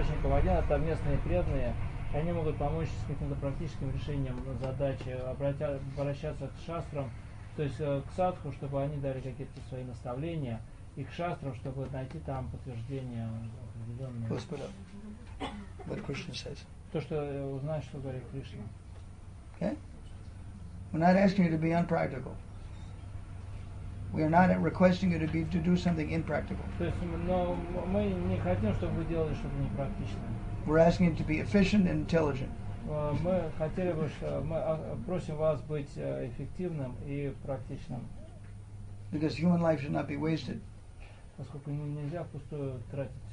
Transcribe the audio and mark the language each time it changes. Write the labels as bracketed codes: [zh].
[ru] Они могут помочь с каким-то практическим решением задачи, обращаться к шастрам, то есть к садху, чтобы они дали какие-то свои наставления, и к шастрам, чтобы найти там подтверждение. Господа, [en] what Krishna says. [ru] То, что узнаешь, что говорит Кришна. [en] Okay? We're not asking you to be unpractical. We are not requesting you to do something impractical. [ru] То есть, но мы не хотим, чтобы вы делали что-то непрактичное. [en] We're asking you to be efficient and intelligent. [ru] Мы хотели бы, мы просим вас быть эффективным и практичным. [en] Because human life should not be wasted. [ru] Поскольку нельзя впустую тратить.